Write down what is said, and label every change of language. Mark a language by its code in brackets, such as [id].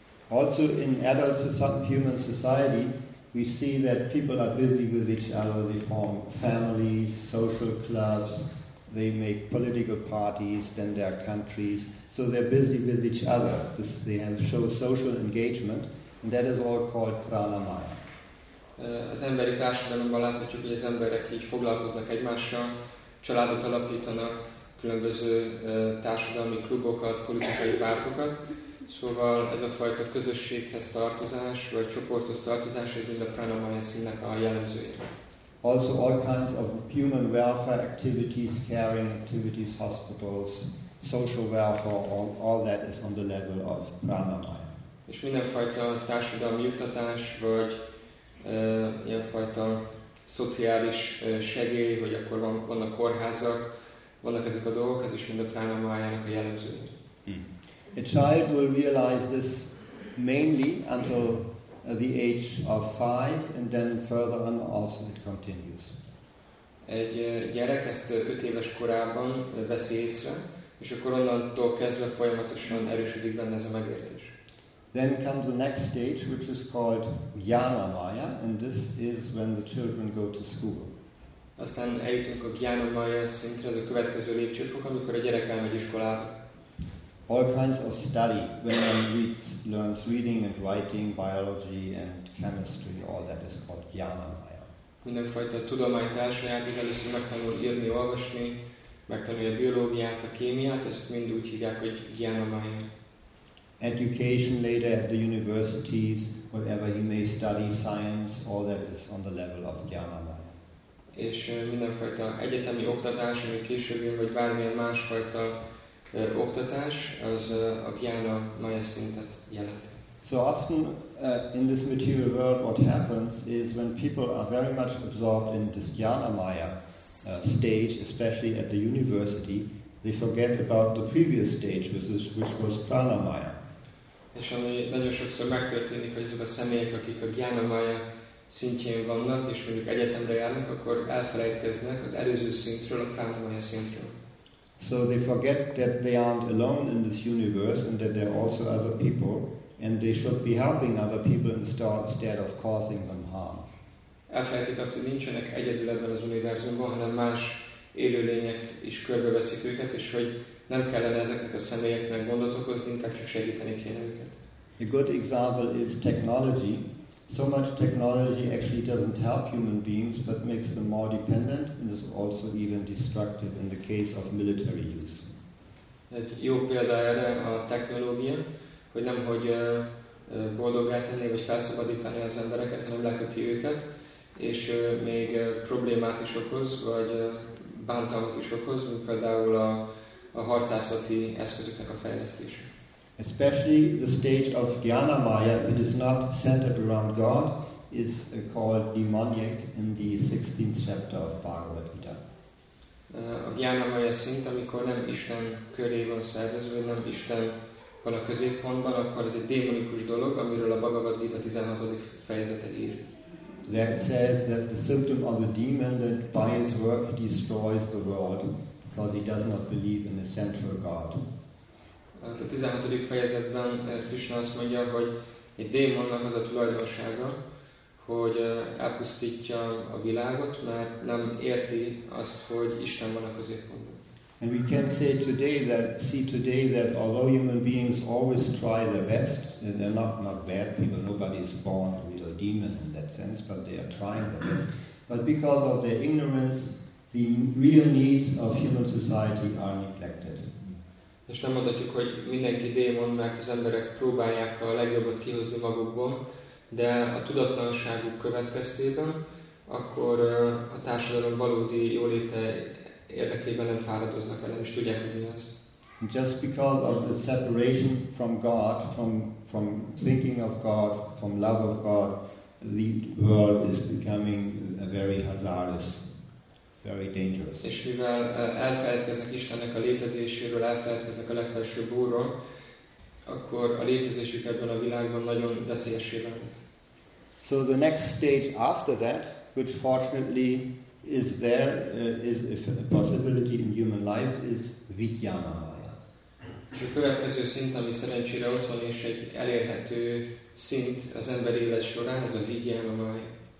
[en] Also in adult human society, we see that people are busy with each other, they form families, social clubs, they make political parties, then their countries, so they're busy with each other, they show social engagement, and that is all called pranamaya. [hu] Az emberi társadalomban láthatjuk, hogy az emberek így foglalkoznak egymással, családot alapítanak, különböző társadalmi klubokat, politikai pártokat, szóval ez a fajta közösséghez tartozás, vagy csoporthoz tartozás, ez mind a pranamaya színnek a jellemzőjét. [en] Also all kinds of human welfare activities, caring activities, hospitals, social welfare, all that is on the level of pranamaya. [hu] És mindenfajta társadalmi juttatás, vagy ilyenfajta szociális segély, hogy akkor vannak kórházak, vannak ezek a dolgok, ez is mind a pranamájának a jellemzője. [en] A child will realize this mainly until the age of 5, and then further on also it continues. [hu] Egy gyerek ezt 5 éves korában veszi észre, és akkor onnantól kezdve folyamatosan erősödik benne ez a megértés. [en] Then comes the next stage, which is called Jnanamaya, and this is when the children go to school. [hu] Aztán eljutunk a Jnanamaya szintre, ez a következő lépcsőfok, amikor a gyerek elmegy iskolába. [en] All kinds of study, when one learns reading and writing, biology and chemistry, all that is called Jnanamaya. [hu] Mindenfajta tudományt elsajátít, először megtanul írni, olvasni, megtanulja a biológiát, a kémiát, ezt mind úgy hívják, hogy Jnanamaya. [en] Education later at the universities, whatever you may study, science, all that is on the level of Jnanamaya. [hu] És mindenfajta egyetemi oktatás, ami később jön, vagy bármilyen másfajta oktatás, az a Jnanamaya szintet jelenti. [en] So often in this material world what happens is when people are very much absorbed in this Jnanamaya stage, especially at the university, they forget about the previous stage, which was Pranamaya. [hu] És ami nagyon sokszor megtörténik, hogy azok a személyek, akik a Jnanamaya szintjén vannak, és mondjuk egyetemre járnak, akkor elfelejtkeznek az előző szintről, a Pranamaya szintről. [en] So they forget that they aren't alone in this universe and that there are also other people and they should be helping other people instead of causing them harm. [hu] Elfelejtik azt, hogy nincsenek egyedül ebben az univerzumban, hanem más élőlények is körbeveszik őket, és hogy nem kellene ezeknek a személyeknek gondot okozni, inkább csak segíteni kéne őket. [en] A good example is technology. So much technology actually doesn't help human beings, but makes them more dependent and is also even destructive in the case of military use. [hu] Egy jó példa erre a technológia, hogy nem hogy boldoggá tenni vagy felszabadítani az embereket, hanem leköti őket, és még problémát is okoz, vagy bántalmat is okoz, mint például a harcászati eszközöknek a fejlesztése. [en] Especially the stage of Dhyana Maya, if it is not centered around God, is called demoniac in the 16th chapter of Bhagavad Gita. [hu] A Dhyana Maya szint, amikor nem Isten köré van szervezve, nem Isten van a középpontban, akkor ez egy démonikus dolog, amiről a Bhagavad Gita 16. fejezete ír. [en] That says that the symptom of a demon that by his work destroys the world because he does not believe in a central God. [hu] A 16. fejezetben Krishna azt mondja, hogy egy démonnak az a tulajdonsága, hogy elpusztítja a világot, mert nem érti azt, hogy Isten van a középpontban. [en] And we can see today that although human beings always try their best, and they're not bad people, nobody is born a real demon in that sense, but they are trying their best. But because of their ignorance, the real needs of human society are neglected. [hu] És nem mondhatjuk, hogy mindenki démon, mert az emberek próbálják a legjobbat kihozni magukból, de a tudatlanságuk következtében, akkor a társadalom valódi jóléte érdekében nem fáradoznak el, nem is tudják, hogy mi az. [en] And just because of the separation from God, from thinking of God, from love of God, the world is becoming a very hazardous, very dangerous. [hu] És mivel elfelejtkeznek Istennek a létezéséről, elfelejtkeznek a legfelsőbb úrról, akkor a létezésük ebben a világban nagyon veszélyessé válik. [en] So the next stage after that, which fortunately is there, is a possibility in human life, is Vijnana Maya. [hu] És a következő szint, ami szerencsére otthon és egy elérhető szint az ember élet során, ez a Vijnana Maya.